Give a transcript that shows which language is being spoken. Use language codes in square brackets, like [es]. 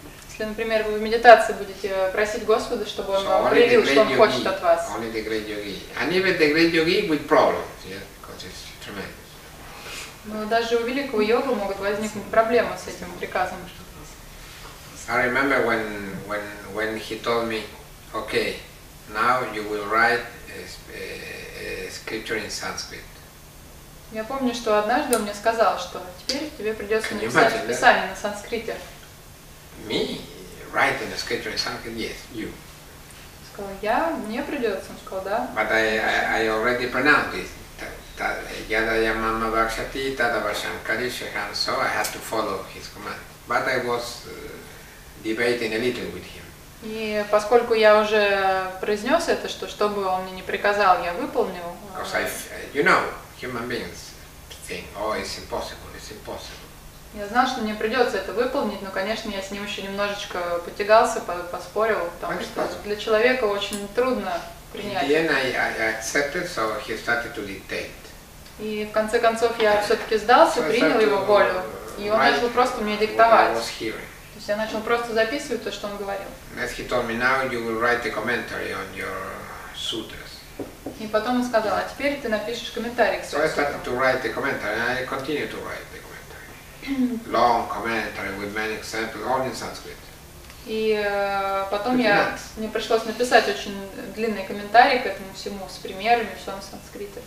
[ru] Если, например, вы в медитации будете просить Господа, чтобы он вам проявил, что он хочет от вас. [en] Only the great yogi. And even the great yogi with problems, yes, because it's tremendous. [ru] Но даже у великого йога могут возникнуть проблемы с этим приказом. [en] I remember when he told me, okay, now you will write a scripture in Sanskrit. [ru] Я помню, что однажды он мне сказал, что теперь тебе придется написать писание на санскрите. [en] Me? Write in a scripture in Sanskrit? Yes, you. [ru] Он сказал, я, мне придется. Он сказал, да. [en] But I already pronounced it. [sa] Ядая мама бхакшати, тадавашам калишахам. [en] So I had to follow his command. But I was debating a little with him. [ru] И поскольку я уже произнес это, что что бы он мне не приказал, я выполнил. [en] Because I, you know, human beings think, oh, it's impossible, it's impossible. [ru] Я знал, что мне придется это выполнить, но, конечно, я с ним еще немножечко потягался, поспорил, потому что для человека очень трудно принять. [en] In the end, I accepted, so he started to dictate. [ru] И в конце концов я все-таки сдался, принял его волю, и он начал просто мне диктовать. То есть я начал просто записывать то, что он говорил. [en] And he told me, now you will write a commentary on your sutras. [ru] И потом он сказал, а теперь ты напишешь комментарий к своему. [en] So I started to write the commentary, and I continue to write the commentary. Long commentary with many examples, all in Sanskrit. [ru] И потом мне пришлось написать очень длинный комментарий к этому всему, с примерами, все на санскрите.